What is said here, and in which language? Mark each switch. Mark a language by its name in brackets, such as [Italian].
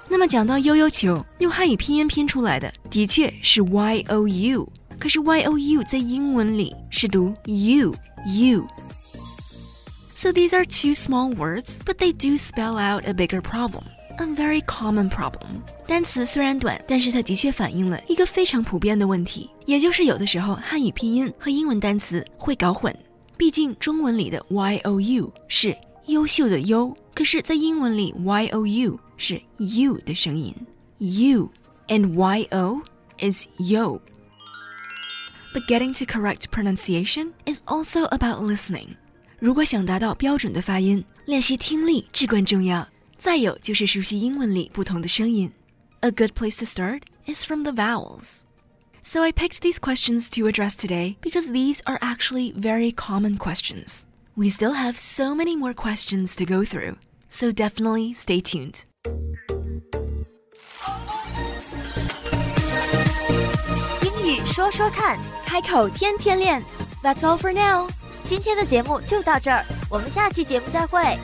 [Chinese] 那么讲到悠悠球，用汉语拼音拼出来的的确是 Y-O-U， 可是 Y-O-U 在英文里是读 U， U。 [English] So these are two small words, but they do spell out a bigger problem. A very common problem. [Chinese] 单词虽然短，但是它的确反映了一个非常普遍的问题，也就是有的时候汉语拼音和英文单词会搞混。毕竟中文里的 Y-O-U 是优秀的优，可是在英文里 Y-O-U 是 U 的声音。 [English] U and Y-O is yo. But getting to correct pronunciation is also about listening. [Chinese] 如果想达到标准的发音，练习听力至关重要。再有就是熟悉英文里不同的声音。 [English] A good place to start is from the vowels. So I picked these questions to address today because these are actually very common questions. We still have so many more questions to go through, so definitely stay tuned. [Chinese] English, 说说看，开口天天练。 [English] That's all for now. [Chinese] 今天的节目就到这儿，我们下期节目再会。